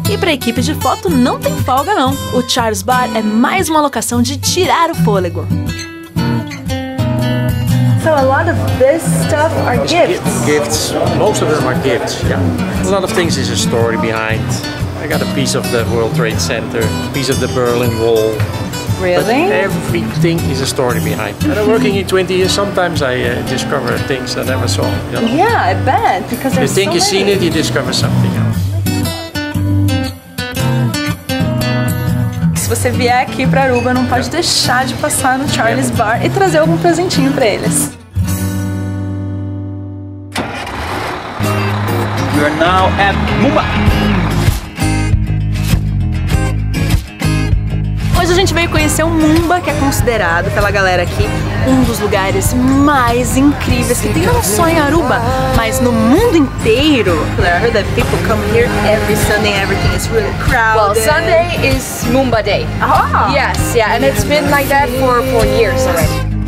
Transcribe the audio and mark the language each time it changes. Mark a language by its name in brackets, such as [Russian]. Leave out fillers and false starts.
[Portuguese] A equipe de foto não tem folga, não. O Charles Bar é mais uma locação de tirar o fôlego. [English] So a lot of this stuff are gifts. Gifts. Most of them are gifts. Yeah. A lot of things is a story behind. I got a piece of the World Trade Center, a piece of the Berlin Wall. Really? But everything is a story behind. And I'm working in 20 years, sometimes I discover things I never saw. You know? Yeah, I bet, because there's you think so you've Seen it, you discover something else. [Portuguese] Se você vier aqui para Aruba, não pode deixar de passar no Charles Bar e trazer algum presentinho para eles. [English] We are now at Mumba. [Portuguese] Hoje a gente veio conhecer o Mumba, que é considerado pela galera aqui um dos lugares mais incríveis que tem não só em Aruba, mas no mundo inteiro. [English] I heard that people come here every Sunday, everything is really crowded. Well, Sunday is Mumba Day. Oh. Yes, yeah, and it's been like that for years already.